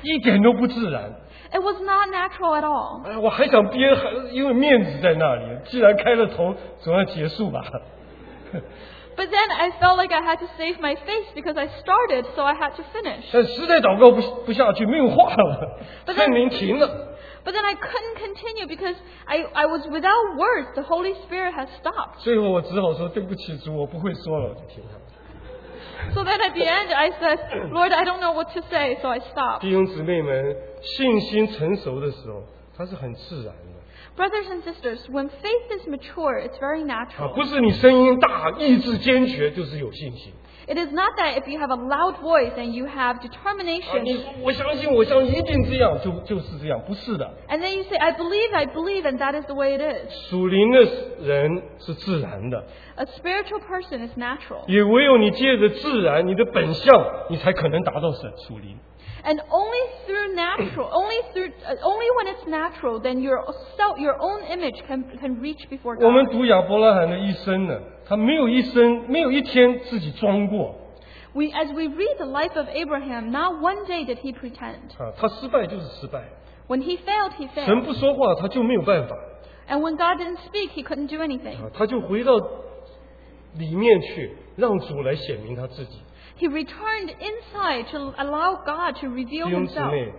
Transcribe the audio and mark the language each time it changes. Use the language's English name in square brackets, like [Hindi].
[English] It was not natural at all. [Chinese] 我还想憋,因为面子在那里,既然开了头,总要结束吧。 [English] But then I felt like I had to save my face because I started, so I had to finish. [Chinese] 但实在祷告不下去,没有话了,圣灵停了。 [English] But then I couldn't continue because I was without words, the Holy Spirit has stopped. [Chinese] 最后我只好说,对不起主,我不会说了,我就停了。 [English] So then at the end, I said, Lord, I don't know what to say, so I stopped. [Chinese] 弟兄姊妹们,信心成熟的时候,它是很自然的。 [English] Brothers and sisters, when faith is mature, it's very natural. [Chinese] 不是你声音大, 意志坚决, 就是有信心。 [English] It is not that if you have a loud voice and you have determination, [Chinese] 我相信一定这样, 就是这样, 不是的。 [English] And then you say, I believe, and that is the way it is. [Chinese] 属灵的人是自然的。 [English] A spiritual person is natural. [Chinese] 也唯有你借着自然, 你的本相, 你才可能达到神属灵。 [English] And only through natural, only when it's natural, then your self, your own image can reach before God. [Chinese] 我们读亚伯拉罕的一生呢, 他没有一生, 没有一天自己装过。 [English] As we read the life of Abraham, not one day did he pretend. [Chinese] 啊, 他失败就是失败。 [English] When he failed, he failed. [Chinese] 神不说话, 他就没有办法。 [English] And when God didn't speak, he couldn't do anything. [Chinese] 啊, 他就回到里面去, 让主来显明他自己。 [English] He returned inside to allow God to reveal himself.